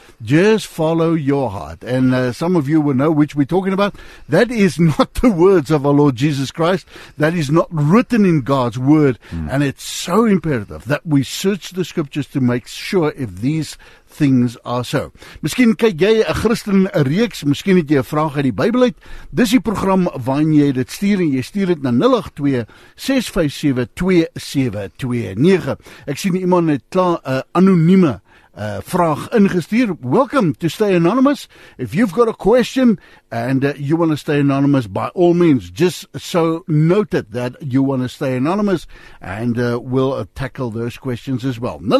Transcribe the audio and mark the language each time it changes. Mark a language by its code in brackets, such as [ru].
[en] Just follow your heart. And some of you will know which we're talking about. That is not the words of our Lord Jesus Christ. That is not written in God's word. And it's so imperative that we search the scriptures to make sure if these things are so. [af] Miskien kyk jy 'n Christen reeks, miskien het jy 'n vraag uit die Bybel uit. Dis die program waarin jy dit stuur en jy stuur dit na 082-657-2729. Ek sien iemand het klaar 'n anonieme vraag ingestuur. [en] Welcome to Stay Anonymous. If you've got a question and you want to stay anonymous, by all means, just so noted that you want to stay anonymous, and we'll tackle those questions as well.